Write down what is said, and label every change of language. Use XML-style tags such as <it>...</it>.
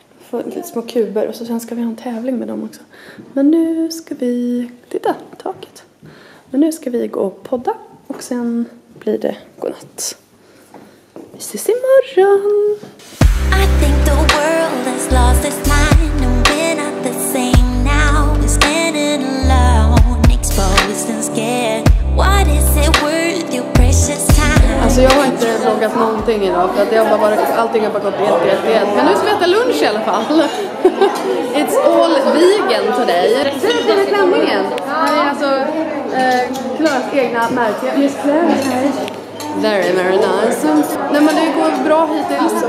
<sv>Får lite små kuber och så sen ska vi ha en tävling med dem också. Men nu ska vi... Titta, taket. Men nu ska vi gå och podda och sen blir det godnatt. Vi ses imorgon!</sv> <en>I think the world has lost its mind and we're not the same now. We're standing alone, exposed and scared. What is it worth your precious time?</en> <sv>Alltså jag har inte vloggat någonting idag för att allting har bara gått jättejättejätt. Men nu ska vi äta lunch i alla fall.</sv> <en>It's all vegan today.</en> <sv>Ser du den här klänningen? Det är alltså Klaras egna märke.</sv> <en>Very, very nice.</en> <sv>Nej, men det går bra hittills.</sv>